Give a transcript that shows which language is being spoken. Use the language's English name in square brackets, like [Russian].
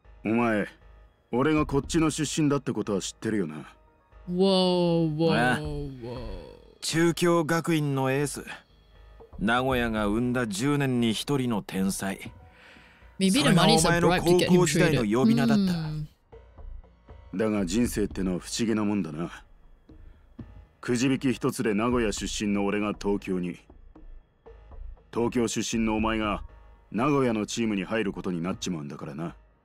[Japanese] お前、俺がこっちの出身だってことは知ってるよな。 [English] Whoa, whoa, whoa. [Japanese] 中京学院のエース。名古屋が生んだ10年に一人の天才。 [English] Maybe the money's a bribe to get him traded. [Japanese] だが人生ってのは不思議なもんだな。くじ引き一つで名古屋出身の俺が東京に。東京出身のお前が名古屋のチームに入ることになっちまうんだからな。